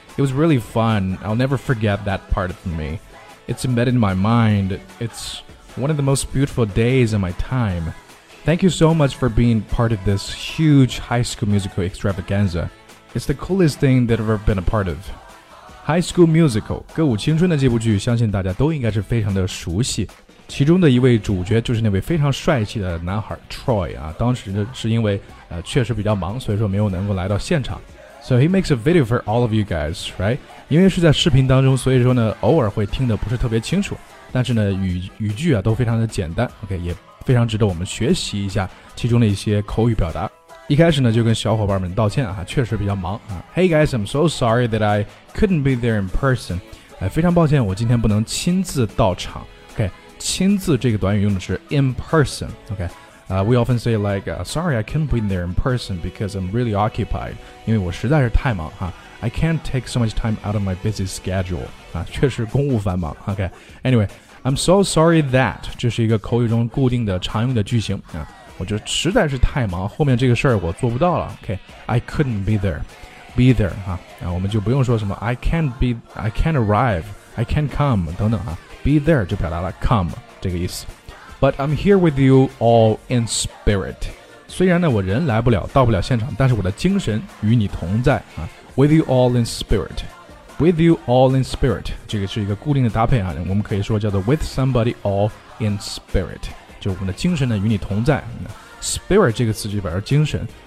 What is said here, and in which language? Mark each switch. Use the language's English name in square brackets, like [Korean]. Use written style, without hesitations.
[English] It was really fun. I'll never forget that part of me. It's embedded in my mind. It's one of the most beautiful days of my time. Thank you so much for being part of this huge High School Musical extravaganza. It's the coolest thing that I've ever been a part of. [Chinese] High School Musical, 歌舞青春的这部剧相信大家都应该是非常的熟悉。其中的一位主角就是那位非常帅气的男孩 Troy 啊，当时是因为确实比较忙，所以说没有能够来到现场。 [English] So he makes a video for all of you guys, right? [Chinese] 因为是在视频当中，所以说呢，偶尔会听得不是特别清楚，但是呢，语句啊都非常的简单 ，OK， 也非常值得我们学习一下其中的一些口语表达。一开始呢，就跟小伙伴们道歉啊，确实比较忙啊。 [English] Hey guys, I'm so sorry that I couldn't be there in person. [Chinese] 哎，非常抱歉，我今天不能亲自到场。 OK， 亲自这个短语用的是 in person. OK。 [English] We often say like, sorry, I can't be there in person because I'm really occupied. [Chinese] 因为我实在是太忙哈、 [English] 啊、I can't take so much time out of my busy schedule. [Chinese] 啊，确实公务繁忙。 [English] Okay, anyway, I'm so sorry that [Chinese] 这是一个口语中固定的常用的句型啊。我就实在是太忙，后面这个事儿我做不到了。 [English] Okay, I couldn't be there, ha.、啊、 [Chinese] 我们就不用说什么 [English] I can't arrive, I can't come 等等啊。 [Chinese] Be there 就表达了 come 这个意思。 [English] But I'm here with you all in spirit. [Chinese] 虽然呢我人来不了，到不了现场，但是我的精神与你同在啊。 [English] With you all in spirit. With you all in spirit. [Chinese] 这个是一个固定的搭配啊，我们可以说叫做 [English] with somebody all in spirit. [Chinese] 就我们的精神呢与你同在。Spirit 这个词就表示精神。